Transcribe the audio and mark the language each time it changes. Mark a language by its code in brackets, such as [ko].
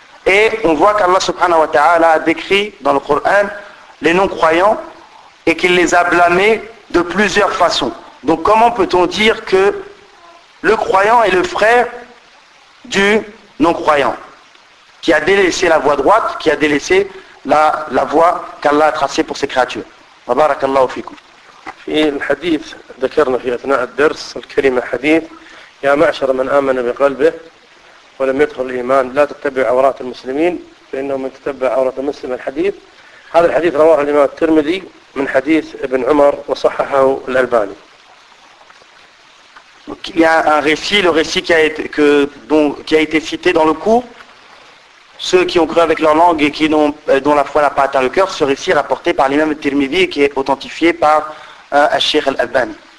[fr] Et on voit qu'Allah subhanahu wa ta'ala a décrit dans le Coran les non-croyants et qu'il les a blâmés de plusieurs façons. Donc comment peut-on dire que le croyant est le frère du non-croyant qui a délaissé la voie droite, qui a délaissé la voie qu'Allah a tracée pour ses créatures. [ar] Barakallahu fikum. في الحديث ذكرنا في أثناء الدرس الكريم الحديث يا معشر من آمن بقلبه ولم يدخل الإيمان لا تتبع عورات المسلمين فإنه من تتبع عورات المسلم الحديث. هذا الحديث رواه الإمام الترمذي من حديث ابن عمر وصححه الألباني. [fr] Il y a un récit, le récit qui a été cité dans le cours. Ceux qui ont cru avec leur langue et qui n'ont, dont la foi n'a pas atteint le cœur, ce récit est rapporté par l'imam Tirmidhi et qui est authentifié par Al-Sheikh Al-Albani.